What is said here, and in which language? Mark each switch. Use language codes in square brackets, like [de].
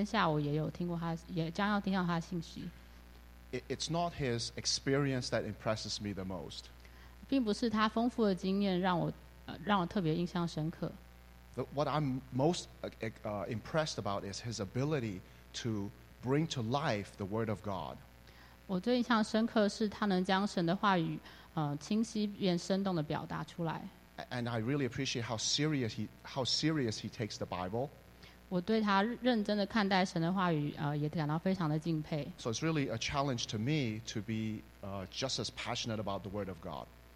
[zh] 我相信你们当中许多人昨天已经听过了他信息，今天下午也有听过他，也将要听到他信息。 [en] It's not his experience that impresses me the most. [zh] 并不是他丰富的经验让我特别印象深刻。 [en] What I'm most impressed about is his ability to bring to life the Word of God. [zh] 我最印象深刻是他能将神的话语清晰变生动地表达出来。 [en] And I really appreciate how serious he takes the Bible. [zh] 我对他认真地看待神的话语, 也感到非常的敬佩。 [en] So it's really a challenge to me to be just as passionate about the Word of God.